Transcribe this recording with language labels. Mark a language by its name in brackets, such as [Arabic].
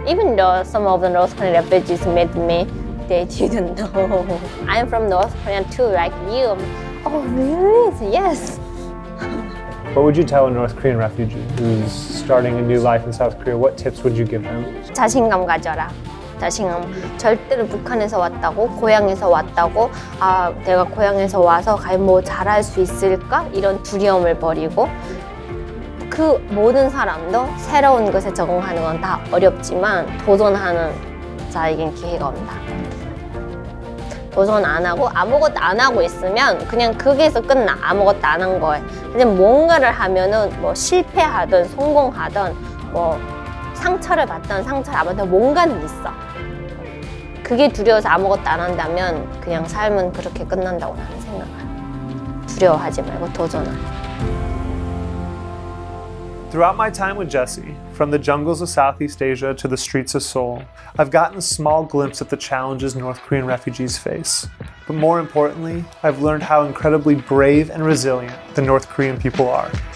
[English] Even though some of the North Korean refugees met me, they didn't know. I'm from North Korea too, like you. Oh, really? Yes. What would you tell a North Korean refugee who's starting a new life in South Korea? What tips would you give them? [Korean] 자신감 가져라. 자신감. 절대로 북한에서 왔다고, 고향에서 왔다고, 아, 내가 고향에서 와서 과연 뭐 잘할 수 있을까? 이런 두려움을 버리고 그 모든 사람도 새로운 것에 적응하는 건 다 어렵지만 도전하는 자에겐 기회가 온다. 도전 안 하고 아무것도 안 하고 있으면 그냥 거기에서 끝나. 아무것도 안 한 거에. 그냥 뭔가를 하면은 뭐 실패하든 성공하든 뭐 상처를 받든 상처를 안 받든 뭔가는 있어. 그게 두려워서 아무것도 안 한다면 그냥 삶은 그렇게 끝난다고 나는 생각해. 두려워하지 말고 도전하라. [English] Throughout my time with Jessie, from the jungles of Southeast Asia to the streets of Seoul, I've gotten a small glimpse at the challenges North Korean refugees face. But more importantly, I've learned how incredibly brave and resilient the North Korean people are.